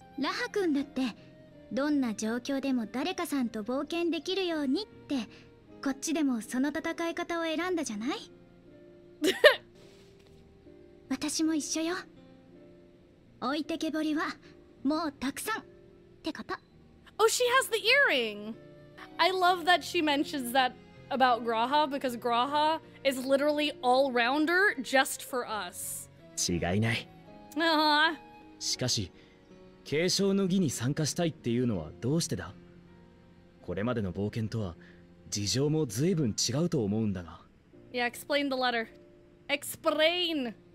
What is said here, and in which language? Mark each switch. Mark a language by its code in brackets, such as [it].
[ja] ラハ君だって、どんな状況でも誰かさんと冒険できるようにって。こっちでもその戦い方を選んだじゃない。私も一緒よ。置いてけぼりはもうたくさんってこと。 [en] Oh, she has the earring. I love that she mentions that about Graha, because Graha is literally all rounder just for us. [ja] 違いない。 [en] Uh-huh. [ja] しかし、継承の儀に参加したいっていうのはどうしてだ？これまでの冒険とは事情も随分違うと思うんだが。 [en] Yeah, explain the letter. Explain.